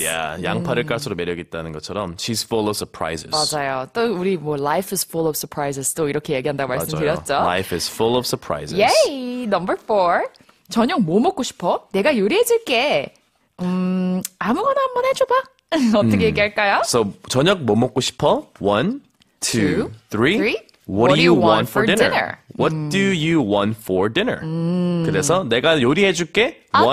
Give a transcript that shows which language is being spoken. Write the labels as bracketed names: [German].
[Korean] Yeah, 양파를 깔수록 매력 있다는 것처럼 [English] she's full of surprises. [Korean] 맞아요. 또 우리 뭐 [English] life is full of surprises [Korean] 또 이렇게 얘기한다고 맞아요. 말씀드렸죠. [English] Life is full of surprises. Yay! Number four. [Korean] 저녁 뭐 먹고 싶어? 내가 요리해줄게. 아무거나 한번 해줘봐. 어떻게 얘기할까요? So, 저녁 뭐 먹고 싶어? [English] One, two, three. What do you want for dinner? What do you want for dinner? [Korean] 그래서 내가 요리해줄게.